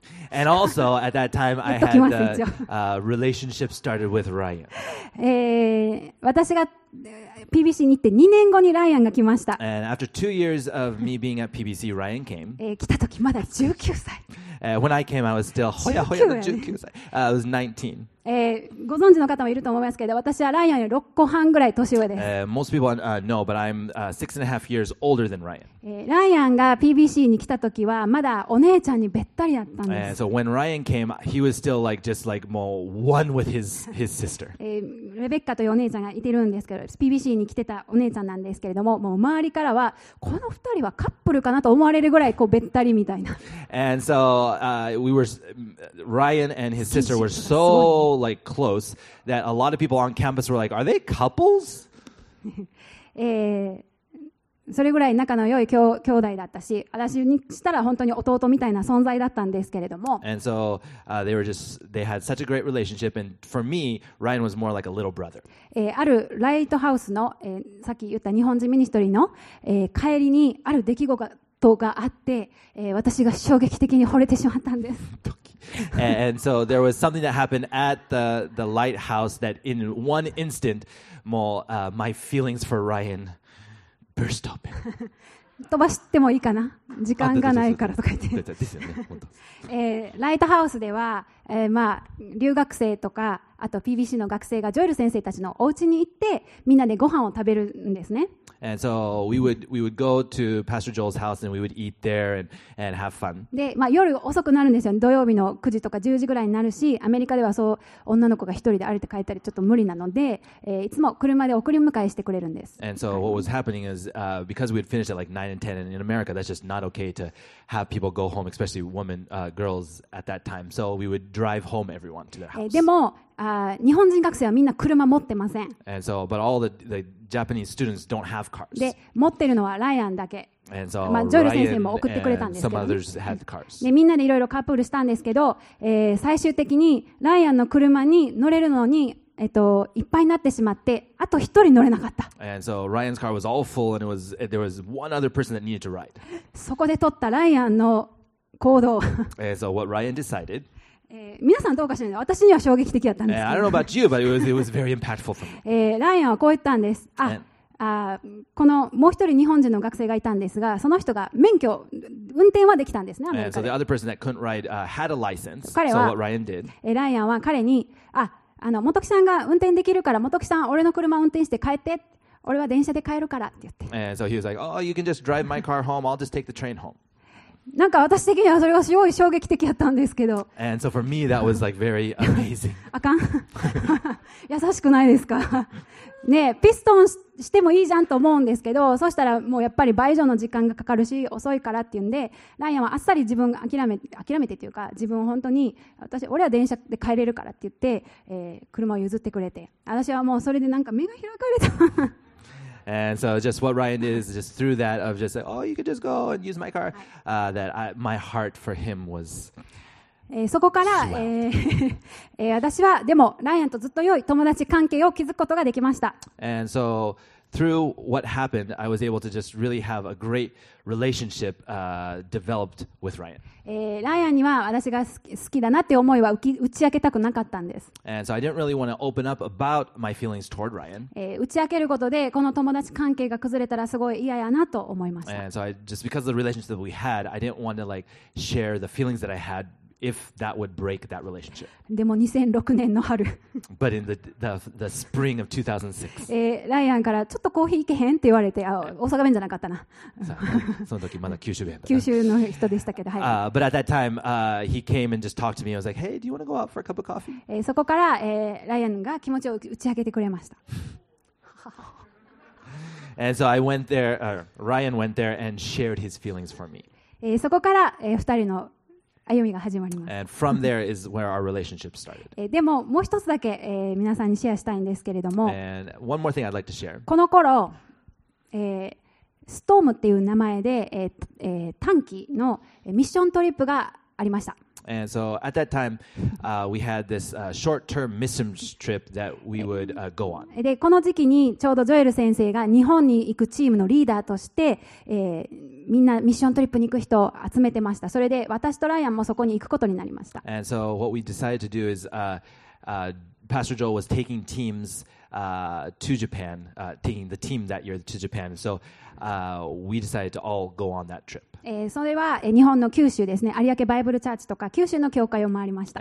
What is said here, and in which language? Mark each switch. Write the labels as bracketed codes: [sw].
[en] and also at that time I had a relationship started with Ryan. [ja] 私が PBC に行って2年後にライアンが来ました。 [en] And after 2 years of me being at PBC, Ryan came. [ja] 来た時まだ19歳。 [en] When I came, I was still [ja] ho ya ho ya の [en] 19歳。I was 19. [ja] ご存知の方もいると思いますけど、私はライアンより6個半ぐらい年上です。 [en] Most people know, but I'm 6.5 years older than Ryan. [ja] ライアンが PBC に来た時はまだお姉ちゃんにべったりだったんです。 [en] So when Ryan came, he was still like just like more one with his sister. [ja] レベッカというお姉ちゃんがいてるんですけど、PBC に来てたお姉ちゃんなんですけれども、もう周りからはこの二人はカップルかなと思われるぐらいこうべったりみたいな。 [en] And so we were Ryan and his sister were so like close that a lot of people on campus were like, are they couples? [ja] それぐらい仲の良い兄弟だったし、私にしたら本当に弟みたいな存在だったんですけれども。 [en] And so, they had such a great relationship, and for me, Ryan was more like a little brother. [ja] あるライトハウスの、さっき言った日本人ミニストリーの、帰りにある出来事があって、私が衝撃的に惚れてしまったんです。 [en] And so there was something that happened at the lighthouse that in one instant, more my feelings for Ryan burst open. [ja] 飛ばしてもいいかな？時間がないからとか言って。ですよね、本当。ライトハウスでは、まあ留学生とかあと PBC の学生がジョエル先生たちのお家に行ってみんなでご飯を食べるんですね。 [en] And so we would go to Pastor Joel's house and we would eat there and have fun. [ja] で、まあ、夜遅くなるんですよ。土曜日の9時とか10時ぐらいになるし、アメリカではそう女の子が一人で歩いて帰ったりちょっと無理なので、いつも車で送り迎えしてくれるんです。 [en] And so what was happening is because we had finished at like 9 and 10 and in America that's just not okay to have people go home, especially women, girls at that time. So we would drive home everyone to their house. [ja] でも日本人学生はみんな車持ってません。 [en] And so, but all the Japanese students don't have cars. [ja] で、持ってるのはライアンだけ。 [en] And so, [ja] まあ、ジョエル先生も送ってくれたんですけど、 [en] ね、some others had cars. [ja] で、みんなでいろいろカップルしたんですけど、最終的にライアンの車に乗れるのに、いっぱいになってしまって、あと一人乗れなかった。 [en] And so Ryan's car was all full and there was one other person that needed to ride. [ja] そこで取ったライアンの行動。 [en] And so what Ryan decided. [ja] 皆さんどうかしらね。私には衝撃的だったんですけど。 [en] I don't know about you, but it was very impactful for me. [ja] ライアンはこう言ったんです。このもう一人日本人の学生がいたんですが、その人が免許運転はできたんですね。 [en] And so the other person that couldn't ride had a license. [ja] 彼は、 [en] so what Ryan did. [ja] ライアンは彼に、元木さんが運転できるから、元木さん俺の車運転して帰って、俺は電車で帰るからって言って。 [en] And so he was like, oh, you can just drive my car home. I'll just take the train home. [ja] なんか私的にはそれがすごい衝撃的だったんですけど。 [en] And so for me that was like very amazing. [ja] あかん。優しくないですか。ねえ、ピストンしてもいいじゃんと思うんですけど、そしたらもうやっぱり倍以上の時間がかかるし遅いからっていうんで、ライアンはあっさり自分が諦めてっていうか、自分を本当に私俺は電車で帰れるからって言って、車を譲ってくれて、私はもうそれでなんか目が開かれた。 [en] And so just what Ryan did is just through that of just like, oh, you could just go and use my car, that I, my heart for him was [ja] そこから、私はでもライアンとずっと良い友達関係を築くことができました。 [en] And so through what happened, I was able to just really have a great relationship, developed with Ryan. [ja] ライアンには私が好きだなって思いは打ち明けたくなかったんです。 [en] And so I didn't really want to open up about my feelings toward Ryan. [ja] 打ち明けることでこの友達関係が崩れたらすごい嫌やなと思いました。 [en] And so I, just because of the relationship that we had, I didn't want to like share the feelings that I had. If that would break that relationship. [ja] でも2006年の春 [en] But in the spring of 2006 [ja] ライアンからちょっとコーヒー行けへんって言われて、あ、大阪弁じゃなかったな。その時まだ九州弁だった。九州の人でしたけど、はい。 [en] But at that time, he came and just talked to me. I was like, hey, do you want to go out for a cup of coffee? [ja] そこから、ライアンが気持ちを打ち明けてくれました。 [en] And so I went there, Ryan went there and shared his feelings for me. [ja] そこから、二人の歩みが始まります。 [en] And from there is where our relationship started. [ja] でももう一つだけ、皆さんにシェアしたいんですけれども、 [en] And one more thing I'd like to share. [ja] この頃、ストームっていう名前で、短期のミッショントリップがありました。 [en] And so at that time, we had this short-term mission trip that we would go on. [ja] でこの時期にちょうどジョエル先生が日本に行くチームのリーダーとして、みんなミッショントリップに行く人を集めてました。それで私とライアンもそこに行くことになりました。 [en] And so what we decided to do is, Pastor Joel was taking teams, to Japan, taking the team that year to Japan. So, we decided to all go on that trip. [ja] それは日本の九州ですね、有明バイブルチャーチとか九州の教会を回りました。